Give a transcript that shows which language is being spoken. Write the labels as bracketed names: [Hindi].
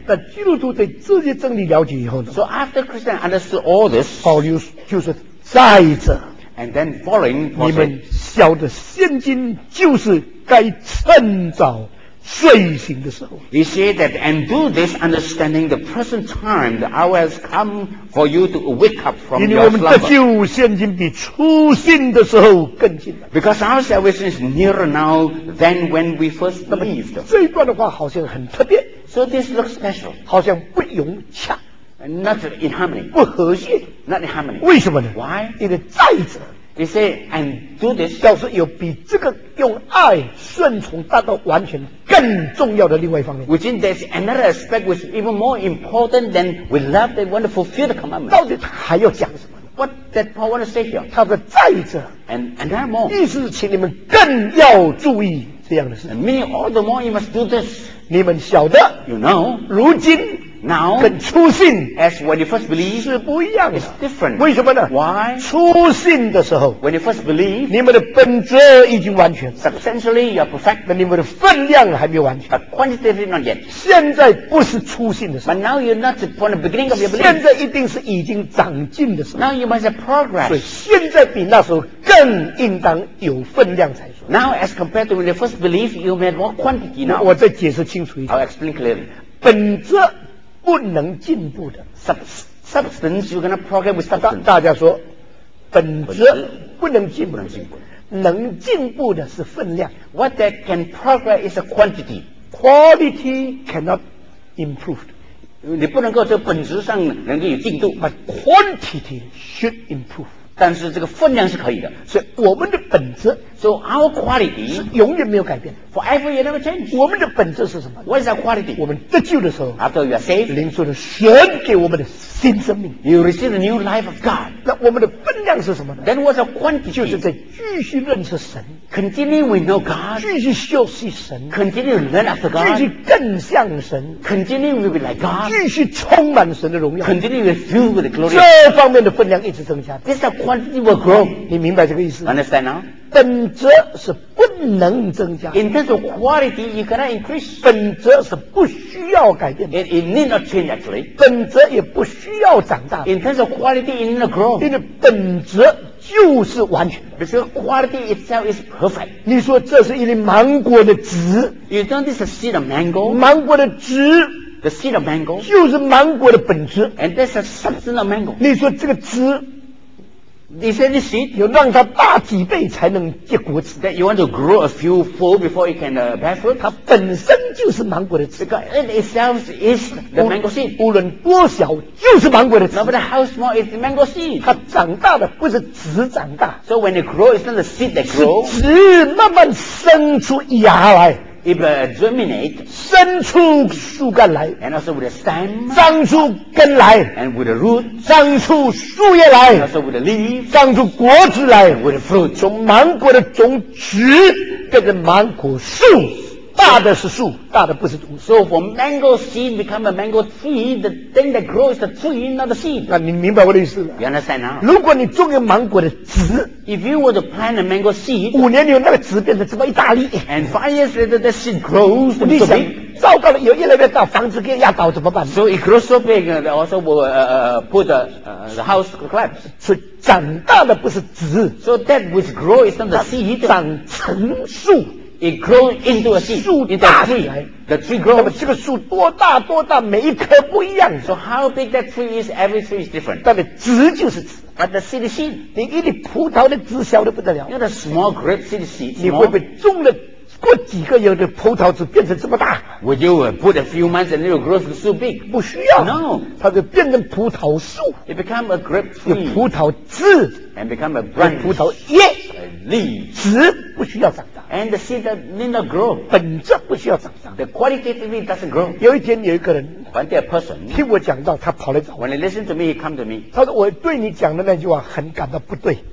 [Chinese] 那基督徒对这些真理了解以后呢 [English] ？So after Christian understood all this, [Chinese] 保留就是再者。 [English] And then following, [Chinese] 你们晓得现今就是该趁早。睡醒的时候 [English] He said that and do this understanding the present time the hour has come for you to wake up from your slumber [Chinese] 因为我们得救现今比初信的时候更近了 [English] Because our salvation is nearer now than when we first believed [Chinese] 这一段的话好像很特别 [English] So this looks special [Chinese] 好像不融洽 [English] Not in harmony [Chinese] 不和谐 [English] Not in harmony [Chinese] 为什么呢 [English] Why? [Chinese] 因为再者 [English] He said, and do this. [Chinese] 表示有比这个用爱顺从达到完全更重要的另外一方面。 [English] Which in this another aspect was even more important than we love the wonderful fulfill the commandment. [Chinese] 到底还要讲什么 [English] ？What that Paul want to say here? [Chinese] 他说再者 [English] and that more. [Chinese] 意思是请你们更要注意这样的事。 [English] And meaning all the more you must do this. [Chinese] 你们晓得 [English] ，You know. [Chinese] 如今。 [English] Now, [Chinese] 跟初信 [English] as when you first believe, [Chinese] 是不一样的 [English] It's different. [Chinese] 为什么呢 [English] Why? [Chinese] 初信的时候 [English] When you first believe, [Chinese] 你们的本质已经完全 [English] Substantially, you are perfect. [Chinese] 你们的分量还没有完全 [English] But quantitatively not yet. [Chinese] 现在不是初信的时候 [English] But now you're not from the beginning of your belief. [Chinese] 现在一定是已经长进的时候 [English] Now you must have progress. [Chinese] 所以现在比那时候更应当有分量才说 [English] Now, as compared to when you first believe, you made more quantity now. [Chinese] 我再解释清楚一点 [English] I'll explain clearly. [Chinese] 本质不能进步的 [English] substance you're going to progress with substance [Chinese] 大家说本质不能进步不能进步能进步的是分量 [English] what that can progress is a quantity quality cannot improve [Chinese] 你不能够在本质上能够有进度 [English] but quantity should improve [Chinese] 但是这个分量是可以的所以我们的本质 [English] so our quality [Chinese] 是永远没有改变的 [English] Forever you never change. [Chinese] 我们的本质是什么 [English] ？What is our quality? [Chinese] 我们得救的时候 [English] ，After you are saved, [Chinese] 领受了神给我们的新生命 [English] ，You receive the new life of God. [Chinese] 那我们的分量是什么呢 [English] ？Then what's our quantity? [Chinese] 就是在继续认识神 [English] ，Continuing we know God. [Chinese] 继续学习神 [English] ，Continuing learn after God. [Chinese] 继续更像神 [English] ，Continuing we be like God. [Chinese] 继续充满神的荣耀 [English] ，Continuing filled with the glory. [Chinese] 这方面的分量一直增加 [English] ，This quantity will grow. [Chinese] 你明白这个意思 [English] ？Understand now? [Chinese] 本质是不能增加 [English] In terms of quality, you cannot increase. [Chinese] 本质是不需要改变 [English] It need not change actually. [Chinese] 本质也不需要长大 [English] In terms of quality, it need not grow. [Chinese] 因为本质就是完全 [English] Because quality itself is perfect. [Chinese] 你说这是一粒芒果的籽 [English] You don't need to see the mango. [Chinese] 芒果的籽 [English] The seed of mango. [Chinese] 就是芒果的本质 [English] And that's the substance of mango. [Chinese] 你说这个籽你说你行，要让它大几倍才能结果子。 [English] That you want to grow a few fold before it can bear fruit. [Chinese] 它本身就是芒果的籽。 [English] Because it itself is the mango seed. [Chinese] 无论多小，就是芒果的籽。 [English] No matter how small, it's mango seed. [Chinese] 它长大的不是籽长大。 [English] So when it grows, it's not the seed that grows. [Chinese] 是籽慢慢生出芽来。 [English] If it germinate, [Chinese] 生出树干来 [English] ，and also with a stem, [Chinese] 长出根来 [English] ，and with a root, [Chinese] 长出树叶来 [English] ，and also with a leaf, [Chinese] 长出果子来 [English] ，with a fruit, [Chinese] 从芒果的种子变成芒果树大的是树，大的不是毒。 [English] So for mango seed become a mango tree, the thing that grows the tree, not the seed. [Chinese] 那你明白我的意思吗？ [English] You understand now? [Chinese] 如果你种个芒果的籽， [English] If you were to plant a mango seed, [Chinese] 五年以后那个籽变成这么一大粒。 [English] And 5 years later, the seed grows. [Chinese] 你想，糟糕了，有越来越大，房子给压倒怎么办？ [English] So it grows so big, and also will put the house collapse. [Chinese] 所以长大的不是籽。 [English] So that which grows is not the seed. [Chinese] 长成树。 [English] It grows into a seed. [Chinese] 树大起来 [English] ，the tree grows. [Chinese] 那么这个树多大多大，每一棵不一样。 [English] So how big that tree is, every tree is different. [Chinese] 但是籽就是籽 [English] ，but the seed is seed. [Chinese] 你一粒葡萄的籽小得不得了。 [English] You know, the small grape seed seed. [Chinese] 你会不会种了过几个月的葡萄籽变成这么大 [English] ？Would you put a few months and it'll grow so big? [Chinese] 不需要。 [English] No. [Chinese] 它就变成葡萄树。 [English] It become a grape tree. [Chinese] 有葡萄籽。 [English] And become a branch. [Chinese] 葡萄叶。 [English] A leaf. [Chinese] 籽不需要长。 [English] And the seed that need not grow. [Chinese] 本质不需要长大。 [English] The qualitatively doesn't grow. [Chinese] 有一天有一个人 [English] One day a person. [Chinese] 听我讲到他跑来找我。 [English] When he listened to me, he come to me. [Chinese] 他说我对你讲的那句话很感到不对。